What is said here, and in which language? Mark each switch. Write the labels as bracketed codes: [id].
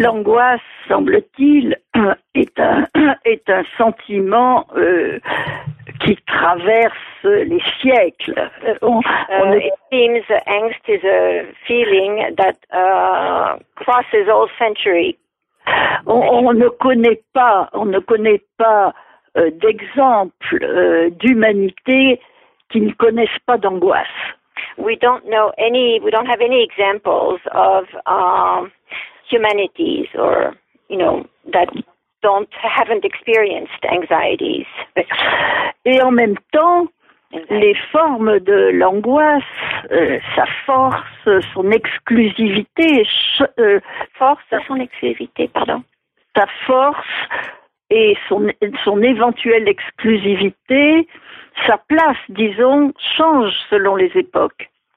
[fr] L'angoisse, semble-t-il, est un sentiment qui traverse les siècles. [en] It seems angst is a feeling that crosses all centuries. [fr] On ne connaît pas d'exemple d'humanité qui ne connaissent pas d'angoisse. [en] We don't have any examples of humanities or that haven't experienced anxieties. [fr] Et en même temps, les formes de l'angoisse, sa force, son exclusivité, sa force et son éventuelle exclusivité, sa place, disons, change selon les époques.